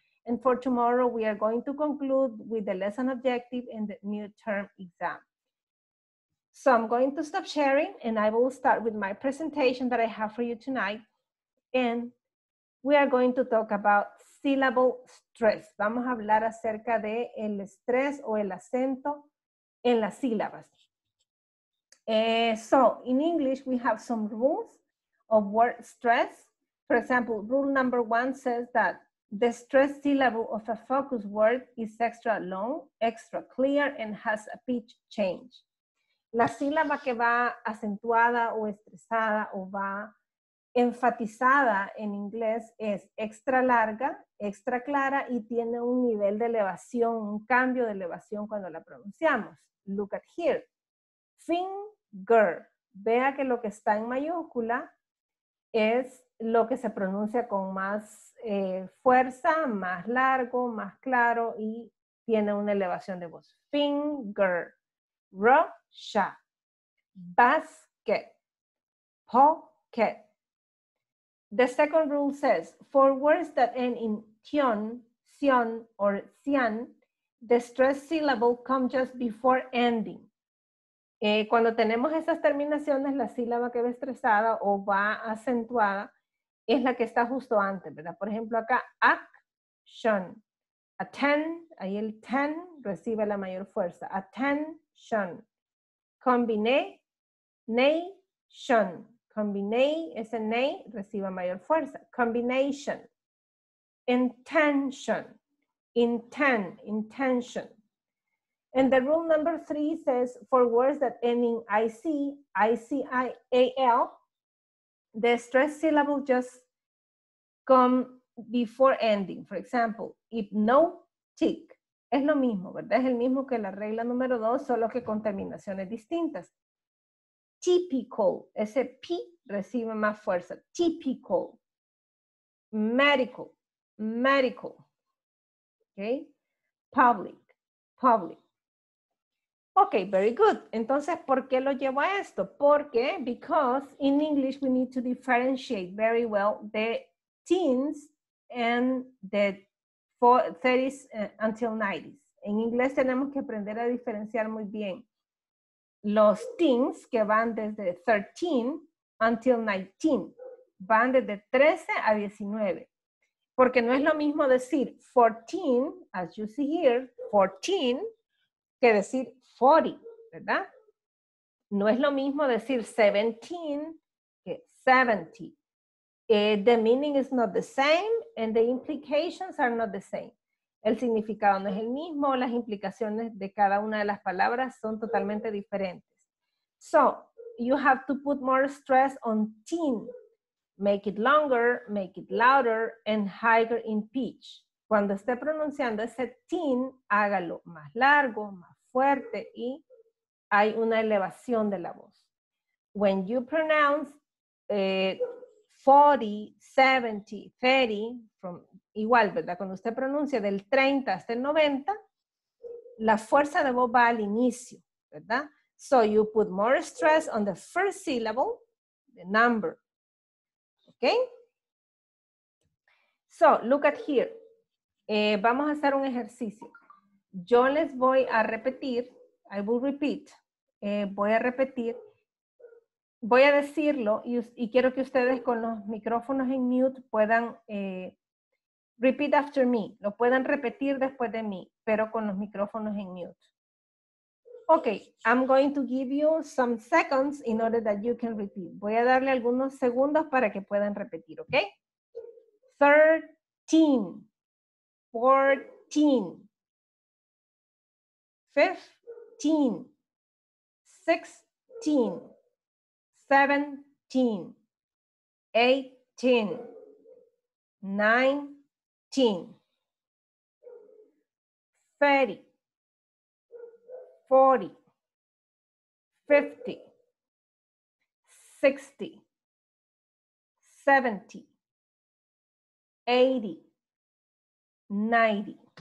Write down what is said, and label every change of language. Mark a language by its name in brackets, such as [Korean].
[English] And for tomorrow, we are going to conclude with the lesson objective and the midterm exam. So I'm going to stop sharing and I will start with my presentation that I have for you tonight. And we are going to talk about syllable stress. [Spanish] Vamos a hablar acerca de el estrés o el acento en las sílabas. [English] So in English, we have some rules of word stress. For example, rule number 1 says that the stressed syllable of a focused word is extra long, extra clear, and has a pitch change. [Spanish] La sílaba que va acentuada o estresada o va enfatizada en inglés es extra larga, extra clara y tiene un nivel de elevación, un cambio de elevación cuando la pronunciamos. [English] Look at here. [Spanish] Finger. Vea que lo que está en mayúscula es lo que se pronuncia con más fuerza, más largo, más claro y tiene una elevación de voz. [English] Finger. Rocha. Basket. Pocket. The second rule says, for words that end in tion, sion, or cian, the stressed syllable comes just before ending. [Spanish] Cuando tenemos esas terminaciones, la sílaba que va estresada o va acentuada es la que está justo antes, ¿verdad? Por ejemplo, acá, action, attend, ahí el ten recibe la mayor fuerza, attention, combination, combine, ese ney recibe mayor fuerza, combination, intention, intent, intention. [English] And the rule number three says, for words that end in IC, I-C-I-A-L, the stressed syllable just come before ending. For example, hypnotic. [Spanish] Es lo mismo, ¿verdad? Es el mismo que la regla número dos, solo que con terminaciones distintas. Typical, ese P recibe más fuerza. Typical. [English] Medical, medical. Okay. Public, public. Ok, very good. [Spanish] Entonces, ¿por qué lo llevo a esto? Porque, [English] because in English we need to differentiate very well the teens and the 30s until 90s. [Spanish] En inglés tenemos que aprender a diferenciar muy bien los teens que van desde 13 until 19. Van desde 13 a 19. Porque no es lo mismo decir 14, [English] as you see here, [Spanish] 14, que decir 40, ¿verdad? No es lo mismo decir 17 que 70. [English] The meaning is not the same and the implications are not the same. [Spanish] El significado no es el mismo, las implicaciones de cada una de las palabras son totalmente diferentes. [English] So, you have to put more stress on teen. Make it longer, make it louder and higher in pitch. [Spanish] Cuando esté pronunciando ese teen, hágalo más largo, más fuerte y hay una elevación de la voz. [English] When you pronounce 40, 70, 30, from, [Spanish] igual, ¿verdad? Cuando usted pronuncia del 30 hasta el 90, la fuerza de voz va al inicio, ¿verdad? [English] So you put more stress on the first syllable, the number. Okay? So look at here. [Spanish] Vamos a hacer un ejercicio. Yo les voy a repetir, [English] I will repeat, [Spanish] voy a repetir, voy a decirlo y quiero que ustedes con los micrófonos en mute puedan [English] repeat after me, [Spanish] lo puedan repetir después de mí, pero con los micrófonos en mute. [English] Okay, I'm going to give you some seconds in order that you can repeat. [Spanish] Voy a darle algunos segundos para que puedan repetir, okay? [English] 13, 14. 15, 16, 17, 18, 19, 30, 40, 50, 60, 70, 80, 90.